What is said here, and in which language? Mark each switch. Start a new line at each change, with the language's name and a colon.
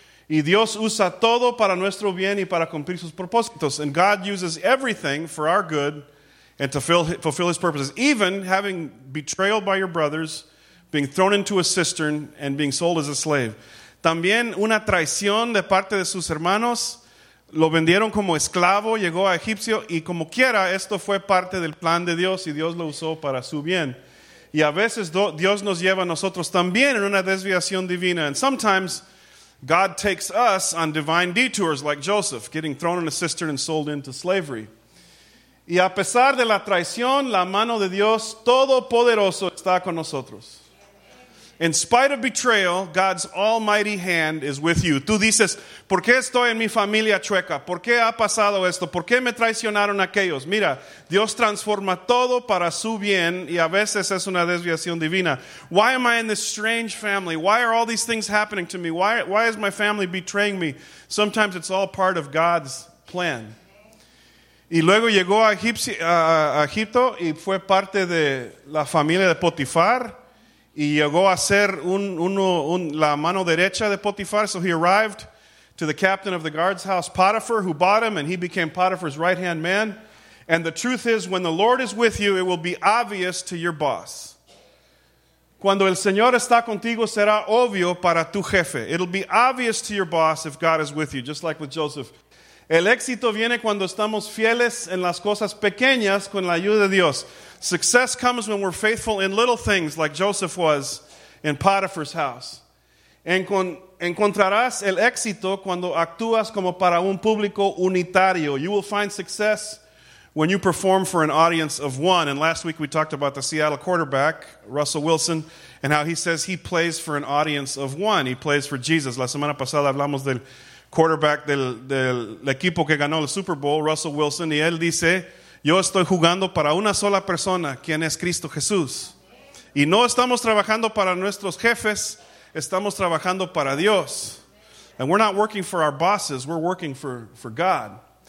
Spanish: Y Dios usa todo para nuestro bien y para cumplir sus propósitos.
English: And God uses everything for our good. And to fulfill his purposes, even having betrayal by your brothers, being thrown into a cistern, and being sold as a slave.
Spanish: También una traición de parte de sus hermanos. Lo vendieron como esclavo, llegó a Egipcio, y como quiera, esto fue parte del plan de Dios, y Dios lo usó para su bien. Y a veces Dios nos lleva a nosotros también en una desviación divina.
English: And sometimes God takes us on divine detours, like Joseph, getting thrown in a cistern and sold into slavery.
Spanish: Y a pesar de la traición, la mano de Dios todopoderoso está con nosotros.
English: In spite of betrayal, God's almighty hand is with you.
Spanish: Tú dices, ¿por qué estoy en mi familia chueca? ¿Por qué ha pasado esto? ¿Por qué me traicionaron aquellos? Mira, Dios transforma todo para su bien y a veces es una desviación divina.
English: Why am I in this strange family? Why are all these things happening to me? Why is my family betraying me? Sometimes it's all part of God's plan.
Spanish: Y luego llegó a Egipto y fue parte de la familia de Potifar y llegó a ser la mano derecha de Potifar.
English: So he arrived to the captain of the guard's house, Potiphar, who bought him, and he became Potiphar's right-hand man. And the truth is, when the Lord is with you, it will be obvious to your boss.
Spanish: Cuando el Señor está contigo, será obvio para tu jefe.
English: It'll be obvious to your boss if God is with you, just like with Joseph.
Spanish: El éxito viene cuando estamos fieles en las cosas pequeñas con la ayuda de Dios.
English: Success comes when we're faithful in little things like Joseph was in Potiphar's house.
Spanish: Encontrarás el éxito cuando actúas como para un público unitario.
English: You will find success when you perform for an audience of one. And last week we talked about the Seattle quarterback, Russell Wilson, and how he says he plays for an audience of one. He plays for Jesus.
Spanish: La semana pasada hablamos del quarterback del equipo que ganó el Super Bowl, Russell Wilson, y él dice, yo estoy jugando para una sola persona, quien es Cristo Jesús. Y no estamos trabajando para nuestros jefes, estamos trabajando para Dios.
English: And we're not working for our bosses, we're working for God.